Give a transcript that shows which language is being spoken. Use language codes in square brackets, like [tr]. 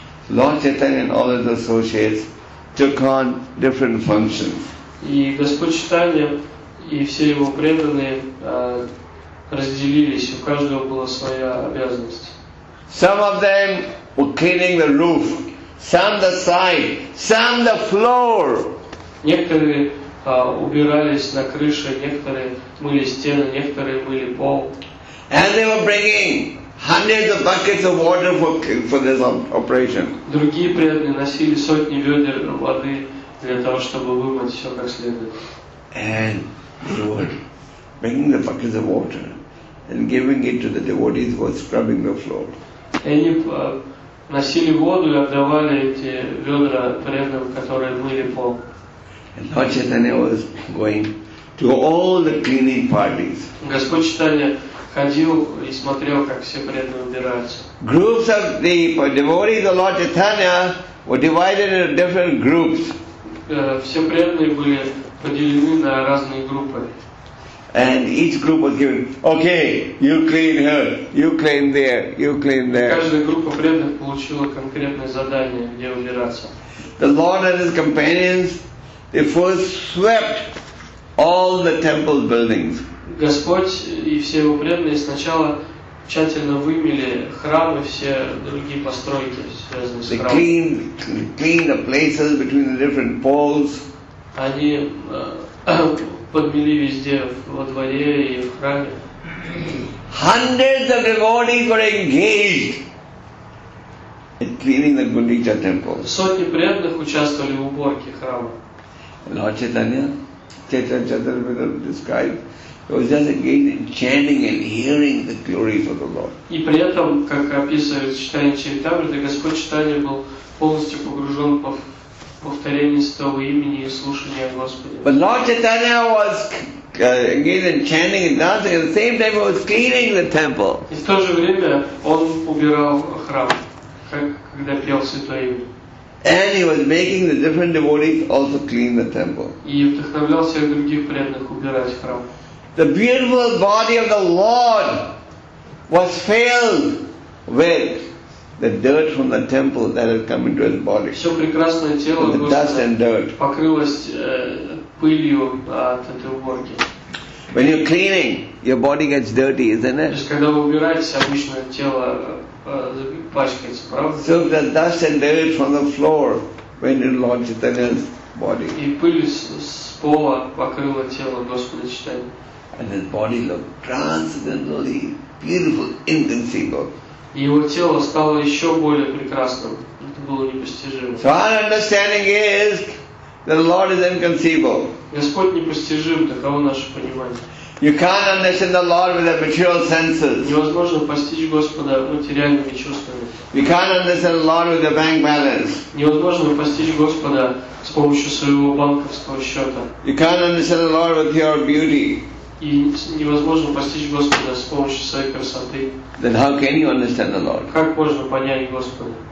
[en] Lord Chaitanya and all his associates took on different functions. [ru] И Господь Читания и все его преданные разделились. У каждого была своя обязанность. [en] Some of them were cleaning the roof, some the side, some the floor. [ru] Некоторые убирались на крыше, некоторые мыли стены, некоторые мыли пол. [en] And they were bringing hundreds of buckets of water for this operation. [ru] Другие преданные носили сотни ведер воды для того, чтобы вымыть все как следует. [en] And they were bringing the buckets of water and giving it to the devotees who were scrubbing the floor. [ru] Они носили воду и отдавали эти ведра преданным, которые мыли пол. [en] And Lord Chaitanya was going to all the cleaning parties. [ru] Господь Читания ходил и смотрел, как все преданные убираются. [en] Groups of the devotees of Lord Chaitanya were divided into different groups. [ru] Все преданные были поделены на разные группы. [en] And each group was given, okay, you clean here, you clean there, you clean there. [ru] Каждая группа преданных получила конкретное задание, где убираться. [en] The Lord and his companions, they first swept all the temple buildings. [ru] Господь и все его преданные сначала тщательно вымели храмы, все другие постройки, связанные с храмом. [en] They cleaned the places between the different poles. [ru] Они подмели везде во дворе и в храме. [en] Hundreds of devotees were engaged in cleaning the Gundicha temple. [ru] Сотни преданных участвовали в уборке храма. [en] Lord Chaitanya, Chaitanya Chaturvedi described, he was just engaged in chanting and hearing the glories of the Lord. [ru] И при этом, как описывает Читание Чаритамриты, Господь Читания был полностью погружен в повторение святого имени и слушание Господа. [en] But Lord Chaitanya was engaged in chanting and dancing, and at the same time he was cleaning the temple. [ru] И в то же время он убирал храм, как когда пел святое имя. [en] And he was making the different devotees also clean the temple. [ru] И вдохновлял всех других преданных убирать храм. [en] The beautiful body of the Lord was filled with the dirt from the temple that had come into his body. [ru] Все прекрасное тело Господа покрылось пылью от этой уборки. [en] When you're cleaning, your body gets dirty, isn't it? [ru] То есть когда вы убираетесь, обычно тело пачкается, правда? [en] So the dust and dirt from the floor went into Lord Chaitanya's body. [ru] И пыль с пола покрыла тело Господа Читания. [en] And his body looked transcendently beautiful, inconceivable. [ru] Его тело стало еще более прекрасным. Это было непостижимо. [en] So our understanding is that the Lord is inconceivable. [ru] Господь непостижим, таково наше понимание. [en] You can't understand the Lord with the material senses. [ru] Невозможно постичь Господа материальными чувствами. [en] You can't understand the Lord with the bank balance. [ru] Невозможно постичь Господа с помощью своего банковского счета. [en] You can't understand the Lord with your beauty. [ru] И невозможно постичь Господа с помощью своей красоты. [en] Then how can you understand the Lord? [ru] Как можно понять Господа?